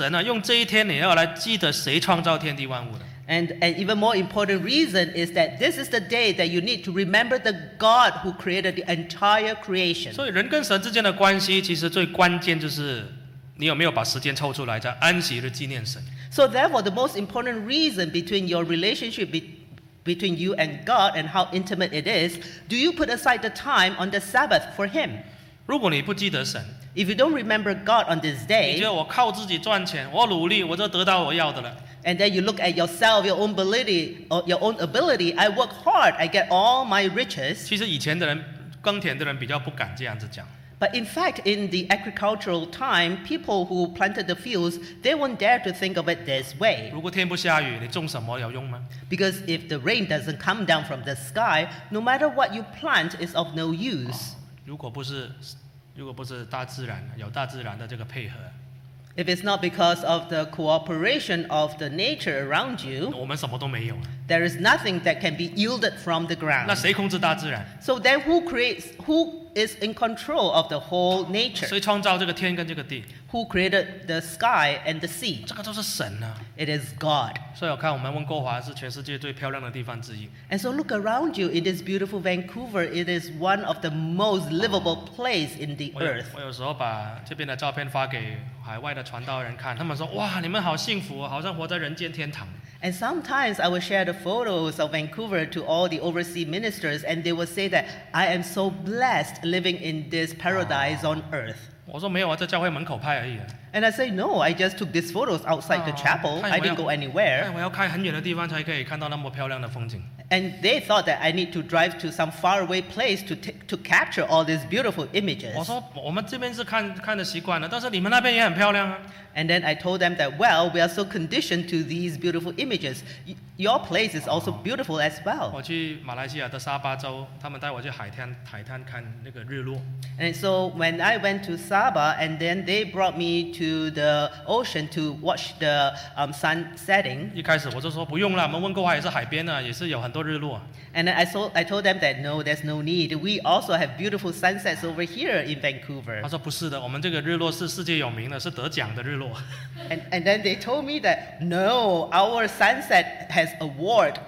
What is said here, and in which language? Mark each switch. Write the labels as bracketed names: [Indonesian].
[Chinese] 还有呢，最重要是因为你要记得神啊，用这一天你要来记得谁创造天地万物的。 [English] And an even more important reason is that this is the day that you need to remember the God who created the entire creation. [Chinese] 所以人跟神之间的关系，其实最关键就是你有没有把时间抽出来在安息日纪念神。 [English] So therefore, the most important reason between your relationship between you and God and how intimate it is, do you put aside the time on the Sabbath for Him? [Chinese] 如果你不记得神, [English] if you don't remember God on this day, [Chinese] 你觉得我靠自己赚钱, 我努力, 我就得到我要的了。 [English] And then you look at yourself, your own ability, or your own ability. I work hard, I get all my riches. [Chinese] 其实以前的人, 耕田的人, 比较不敢这样子讲。 [English] But in fact, in the agricultural time, people who planted the fields, they won't dare to think of it this way. [Chinese] 如果天不下雨, 你种什么有用吗? [English] Because if the rain doesn't come down from the sky, no matter what you plant, it's of no use. [Chinese] 如果不是如果不是大自然，有大自然的这个配合, [English] if it's not because of the cooperation of the nature around you, [Chinese] 我们什么都没有, [English] there is nothing that can be yielded from the ground. [Chinese] 那谁控制大自然? [English] So then who creates, who is in control of the whole nature? [Chinese] 谁创造这个天跟这个地? [English] Who created the sky and the sea? [Chinese] 这个都是神啊, [English] it is God. [Chinese] 所以我看我们温哥华是全世界最漂亮的地方之一, [English] and so look around you, it is beautiful Vancouver. It is one of the most livable place in the earth. [Chinese] 我有时候把这边的照片发给海外的传道人看, 他们说,哇,你们好幸福, 好像活在人间天堂。 [English] And sometimes I will share the photos of Vancouver to all the overseas ministers, and they will say that I am so blessed living in this paradise on earth. [Chinese] 我说没有啊，在教会门口拍而已。 [English] And I say no, I just took these photos outside the chapel. I didn't go anywhere. [Chinese] 我要开很远的地方才可以看到那么漂亮的风景。 [English] And they thought that I need to drive to some faraway place to capture all these beautiful images. [Chinese] 我说我们这边是看的习惯了，但是你们那边也很漂亮啊。 [English] And then I told them that, well, we are so conditioned to these beautiful images. Your place is also beautiful as well. [Chinese] 我去马来西亚的沙巴州，他们带我去海滩看那个日落。 [English] And so when I went to Sabah, and then they brought me to the ocean to watch the sun setting. [Chinese] 一开始我就说不用了，我们温哥华也是海边的，也是有很多日落。 [English] And I told them that no, there's no need. We also have beautiful sunsets over here in Vancouver. [Chinese] 他说不是的，我们这个日落是世界有名的，是得奖的日落。 [English] And then they told me that no, our sunset has award.